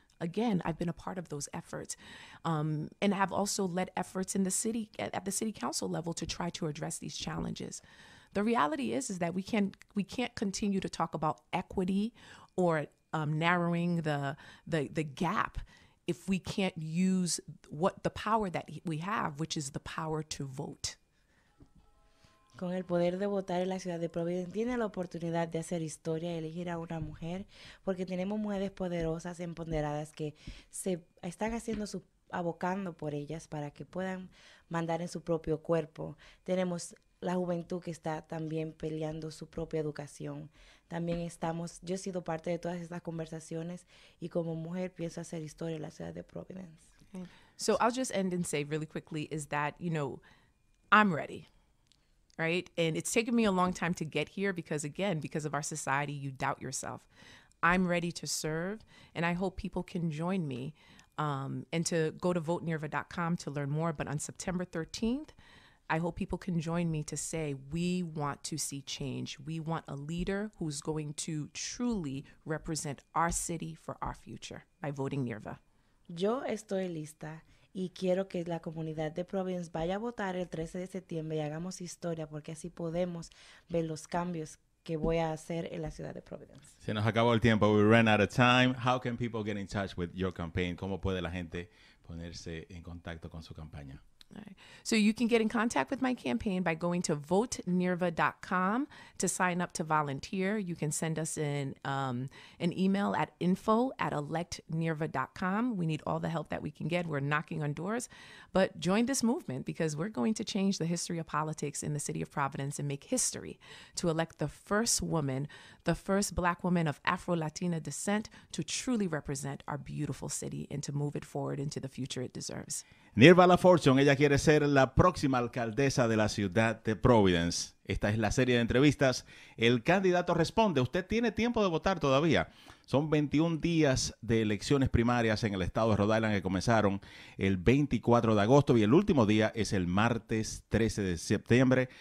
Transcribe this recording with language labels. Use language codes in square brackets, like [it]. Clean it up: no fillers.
[en] Again, I've been a part of those efforts, and have also led efforts in the city at the city council level to try to address these challenges. The reality is that we can't continue to talk about equity or narrowing the gap if we can't use what the power that we have, which is the power to vote. [es] Con el poder de votar en la ciudad de Providence, tiene la oportunidad de hacer historia y elegir a una mujer, porque tenemos mujeres poderosas, empoderadas, que se están haciendo su, abocando por ellas para que puedan mandar en su propio cuerpo. Tenemos la juventud que está también peleando su propia educación. También estamos, yo he sido parte de todas estas conversaciones, y como mujer pienso hacer historia en la ciudad de Providence. [en] So I'll just end and say really quickly is that, you know, I'm ready. Right. And it's taken me a long time to get here because, again, because of our society, you doubt yourself. I'm ready to serve. And I hope people can join me and to go to votenirva.com to learn more. But on September 13th, I hope people can join me to say we want to see change. We want a leader who's going to truly represent our city for our future by voting Nirva. [es] Yo estoy lista. Y quiero que la comunidad de Providence vaya a votar el 13 de septiembre y hagamos historia porque así podemos ver los cambios que voy a hacer en la ciudad de Providence. Se nos acabó el tiempo. [en] We ran out of time. How can people get in touch with your campaign? [es] ¿Cómo puede la gente ponerse en contacto con su campaña? [en] Right. So you can get in contact with my campaign by going to votenirva.com to sign up to volunteer. You can send us an email at info@electnirva.com. We need all the help that we can get. We're knocking on doors. But join this movement because we're going to change the history of politics in the city of Providence and make history to elect the first woman, the first Black woman of Afro-Latina descent to truly represent our beautiful city and to move it forward into the future it deserves. [es] Nirva Lafortune, ella quiere ser la próxima alcaldesa de la ciudad de Providence. Esta es la serie de entrevistas. El candidato responde. Usted tiene tiempo de votar todavía. Son 21 días de elecciones primarias en el estado de Rhode Island que comenzaron el 24 de agosto y el último día es el martes 13 de septiembre.